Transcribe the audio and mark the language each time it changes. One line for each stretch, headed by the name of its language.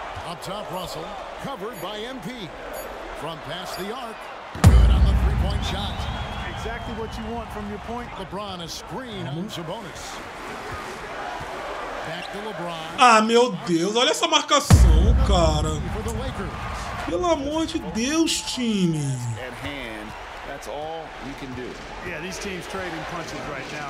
English: Up top, Russell, covered by MP. From past the arc, good on the three-point shot. Exactly what you want from your point. LeBron, a screen on Sabonis. Back to LeBron.
Portuguese: Ah, meu Deus, olha essa marcação, cara. Pelo amor de Deus, time.
English: At hand, that's all we can do. Yeah, these teams trading punches right now.